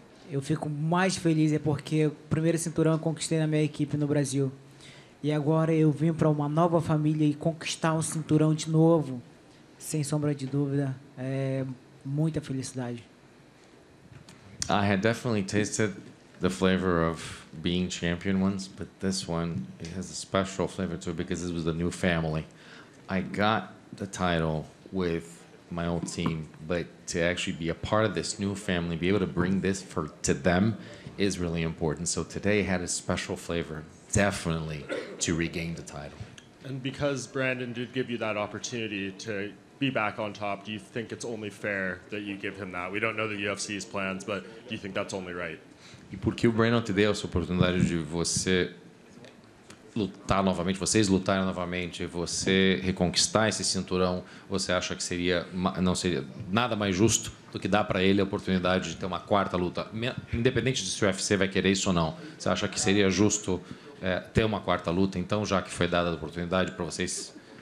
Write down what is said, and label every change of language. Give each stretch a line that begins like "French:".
Portuguese: Eu fico mais feliz, porque o primeiro cinturão eu conquistei na minha equipe no Brasil. E agora eu vim para uma nova família e conquistar um cinturão de novo, sem sombra de dúvida, é muita felicidade.
English: I had definitely tasted the flavor of being champion once, but this one, it has a special flavor too because this was a new family. I got the title with my old team, but to actually be a part of this new family, be able to bring this to them is really important. So today had a special flavor. Definitely to regain the title. And because Brandon did give you that opportunity to be back on top, do you think it's only fair that you give him that? We don't know the UFC's plans, but do you think that's only right?
Portuguese: E porque o Brandon te deu essa oportunidade de você lutar novamente, vocês lutarem novamente, você reconquistar esse cinturão, você acha que seria, não seria nada mais justo do que dar para ele a oportunidade de ter uma quarta luta? Independente de se o UFC vai querer isso ou não, você acha que seria justo ter uma quarta luta, então, já que foi dada a oportunidade para vocês?